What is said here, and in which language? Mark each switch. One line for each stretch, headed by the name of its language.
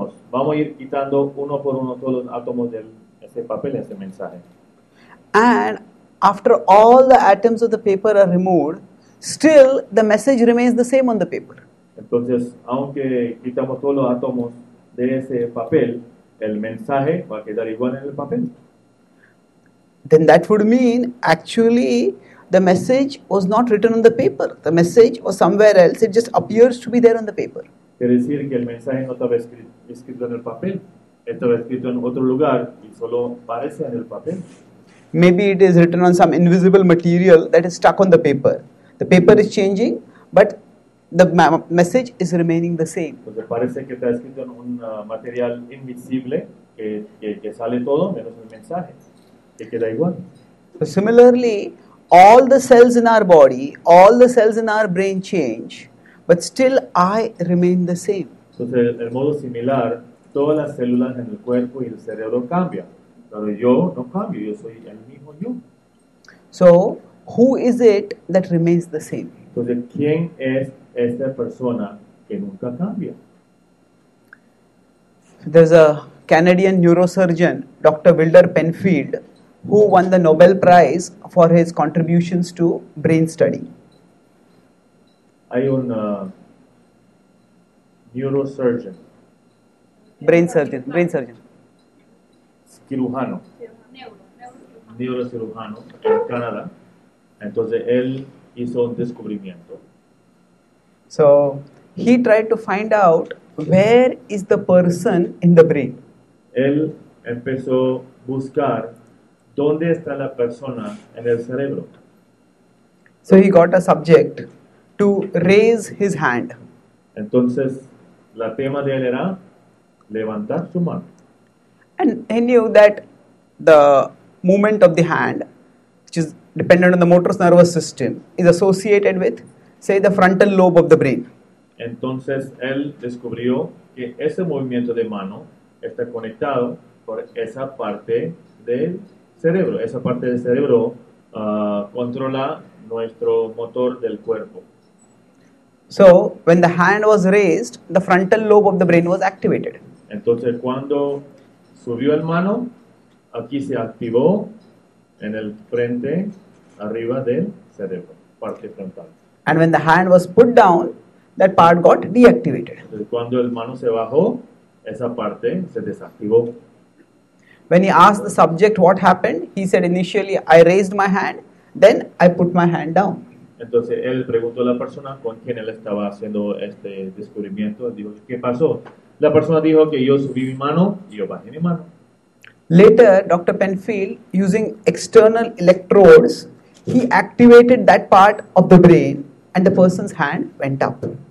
Spanish: Vamos a ir quitando uno por uno todos los átomos de ese papel, ese mensaje.
English: And after all the atoms of the paper are removed, still the message remains the same on the paper.
Spanish: Entonces, aunque quitamos todos los átomos de ese papel, el mensaje va a quedar igual en el papel.
English: Then that would mean actually the message was not written on the paper. The message was somewhere else. It just appears to be there on the paper.
Spanish: Quiere decir que el mensaje no estaba escrito en el papel. Estaba escrito en otro lugar y solo aparece en el papel.
English: Maybe it is written on some invisible material that is stuck on the paper. The paper is changing, but the message is remaining the same.
Spanish: Entonces parece que está escrito en un material invisible que sale todo menos el mensaje, que queda igual.
English: So similarly, all the cells in our body, all the cells in our brain change, but still I remain the same.
Spanish: Entonces, el modo similar, todas las células en el cuerpo y el cerebro cambian, pero yo no cambio, yo soy el mismo yo.
English: So, who is it that remains the same?
Spanish: Entonces, ¿quién es esta persona que nunca cambia?
English: There's a Canadian neurosurgeon, Dr. Wilder Penfield, who won the Nobel Prize for his contributions to brain study.
Spanish: Hay un neurosurgeon.
English: Brain surgeon.
Spanish: Cirujano. Neurocirujano en Canadá. Entonces, él hizo un descubrimiento.
English: So, he tried to find out where is the person in the brain.
Spanish: Él empezó a buscar ¿dónde está la persona en el cerebro?
English: So he got a subject to raise his hand.
Spanish: Entonces, la tema de él era levantar su mano.
English: And he knew that the movement of the hand, which is dependent on the motor nervous system, is associated with, say, the frontal lobe of the brain.
Spanish: Entonces, él descubrió que ese movimiento de mano está conectado por esa parte del cerebro. Esa parte del cerebro controla nuestro motor del cuerpo.
English: So, when the hand was raised, the frontal lobe of the brain was activated.
Spanish: Entonces, cuando subió el mano, aquí se activó en el frente, arriba del cerebro, parte frontal.
English: And when the hand was put down, that part got deactivated.
Spanish: Entonces, cuando el mano se bajó, esa parte se desactivó.
English: When he asked the subject what happened, he said initially, I raised my hand, then I put my hand down.
Spanish: Entonces, él preguntó a la persona con quien él estaba haciendo este descubrimiento. Él dijo, ¿qué pasó? La persona dijo que yo subí mi mano y yo bajé mi mano.
English: Later, Dr. Penfield, using external electrodes, he activated that part of the brain and the person's hand went up.